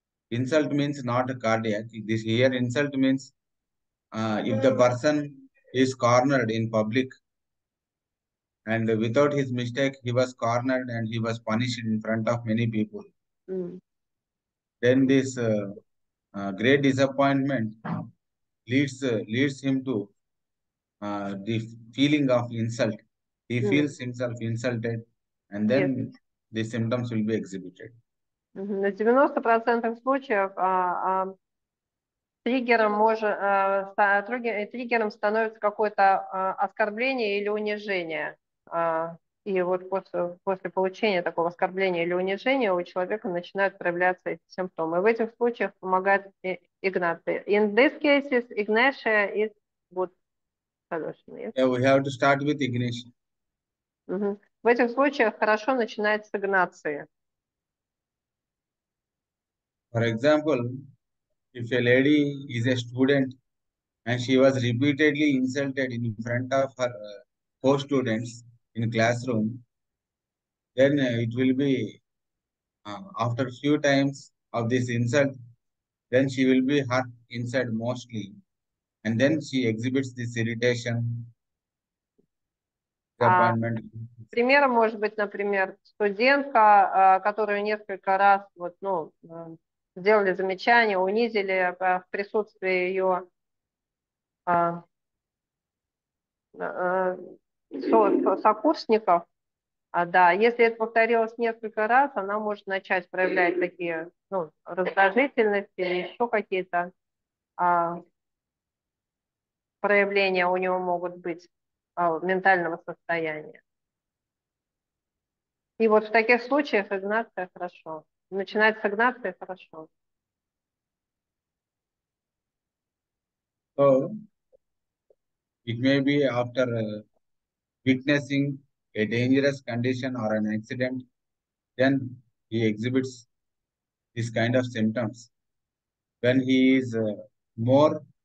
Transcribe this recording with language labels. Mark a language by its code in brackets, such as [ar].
[en] Insult means not a cardiac. This here insult means if the person is cornered in public, and without his mistake, he was cornered and he was punished in front of many people. Then this great disappointment leads him to the feeling of insult. He feels himself insulted, and then the symptoms will be exhibited. [ru] На 90% случаев триггером становится какое-то оскорбление или унижение. И вот после получения такого оскорбления или унижения у человека начинают проявляться эти симптомы. В этих случаях помогает Игнация. [en] In this cases, Ignatia is good solution. Yes? Yeah, we have to start with Ignatia. [ru] В этих случаях хорошо начинается с Игнации. [en] For example, if a lady is a student and she was repeatedly insulted in front of her co-students in classroom, then it will be after a few times of this insult, then she will be hurt inside mostly, and then she exhibits this irritation, disappointment. [ru] Примером может быть, например, студентка, которую несколько раз вот, ну, сделали замечание, унизили в присутствии ее сокурсников. Да, если это повторилось несколько раз, она может начать проявлять такие, ну, раздражительности или еще какие-то проявления у него могут быть ментального состояния. И вот в таких случаях Игнация хорошо. Начинать с Игнации хорошо. [en] So, it may be after witnessing a dangerous condition or an accident, then he exhibits this kind of symptoms. When he is more